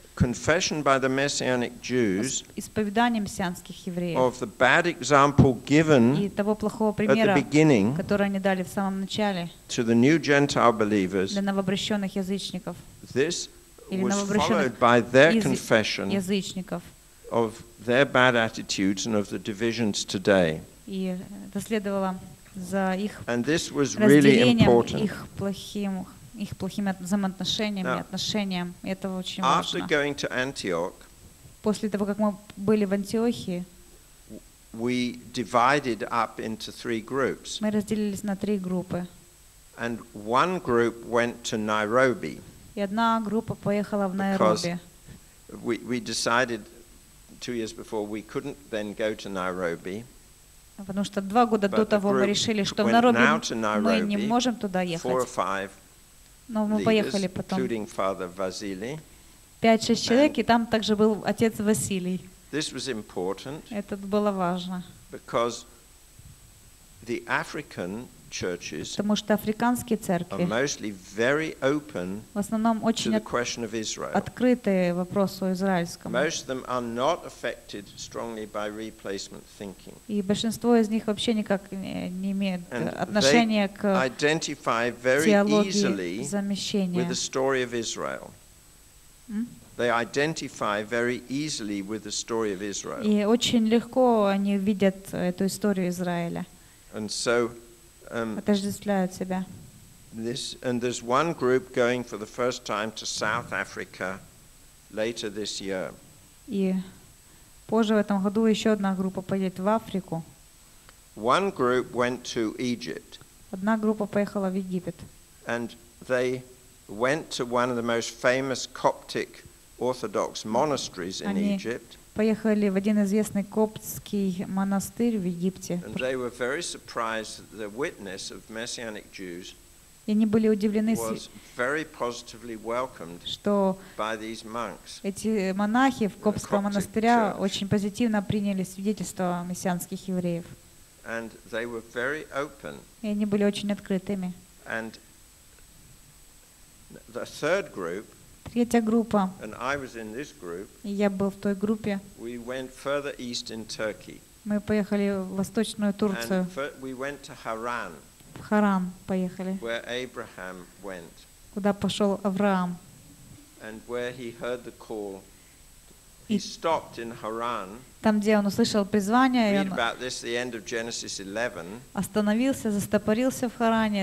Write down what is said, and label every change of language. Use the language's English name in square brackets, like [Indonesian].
[English] Confession by the messianic Jews [Russian] исповедание мессианских евреев [English] of the bad example given [Russian] и того плохого примера, который они дали в самом начале [English] to the new Gentile believers [Russian] для новообращенных язычников [English] this was followed by their confession [Russian] язычников [English] of their bad attitudes and of the divisions today [Russian] и это следовало за их [English] and this was really important [Russian] их плохими взаимоотношениями, отношениям. И это очень [English] after [Russian] важно. [English] Going to Antioch, [Russian] после того, как мы были в Антиохии, [English] we divided up into three groups. [Russian] Мы разделились на три группы. [English] And one group went to Nairobi. [Russian] И одна группа поехала в Найроби. [English] We decided 2 years before we couldn't then go to Nairobi. [Russian] Потому что 2 года до того мы решили, что в Найроби мы не можем туда ехать. [English] 4 or 5 [Russian] Но мы поехали потом. 5-6 человек, и там также был отец Василий. [English] This was important. [Russian] Это было важно. [English] Because the African churches, [Russian] потому что африканские церкви, [English] mostly very open, [Russian] в основном очень открытые вопросу израильскому. [English] Most of them are not affected strongly by replacement thinking. [Russian] И большинство из них вообще никак не имеют отношения к [English] identify very easily with the story of Israel. They identify very easily with the story of Israel. [Russian] И очень легко они видят эту историю Израиля. [English] And so [Russian] отождествляют себя. [English] This, and there's one group going for the first time to South Africa later this year. [Russian] И позже в этом году еще одна группа поедет в Африку. [English] One group went to Egypt. [Russian] Одна группа поехала в Египет. [English] And they went to one of the most famous Coptic Orthodox monasteries in Egypt. [Russian] поехали в один известный коптский монастырь в Египте. [English] And they were very surprised that the witness of Messianic Jews [Russian] и они были удивлены, [English] was very positively welcomed [Russian] что [English] by these monks. [Russian] Эти монахи в коптском монастыре очень позитивно приняли свидетельство мессианских евреев. [English] And they were very open. [Russian] И они были очень открытыми. [English] And the third group, [Russian] третья группа, [English] and I was in this group, [Russian] я был в той группе, [English] we went further east in Turkey. [Russian] Мы поехали в восточную Турцию. [English] And we went to Haran, [Russian] в Харан поехали, [English] where Abraham went, [Russian] куда пошел Авраам. [English] And where he heard the call, he stopped in Haran. [Russian] Там, где он услышал призвание, [English] read about this, the end of Genesis 11. [Russian] Остановился, застопорился в Харане.